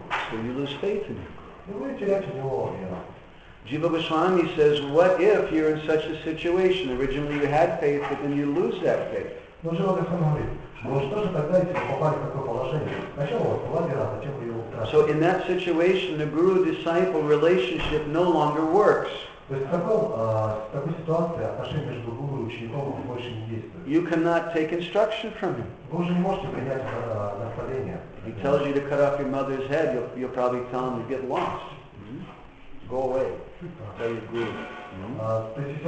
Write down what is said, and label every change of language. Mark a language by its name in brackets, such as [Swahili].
[English] So you lose faith in him. Jiva Goswami says, what if you're in such a situation? Originally you had faith, but then you lose that faith. [Russian] Но же вот он говорит, ну что же тогда, если попали в такое положение? Зачем вот была вера, зачем ее утратить? [English] So in that situation, the guru-disciple relationship no longer works. [Russian] То есть в такой ситуации отношения между гуру и учеником больше не действуют. [English] You cannot take instruction from him. [Russian] Вы уже не можете принять наставление. [English] If he tells you to cut off your mother's head, you'll probably tell him to get lost. Go away. Tell your guru.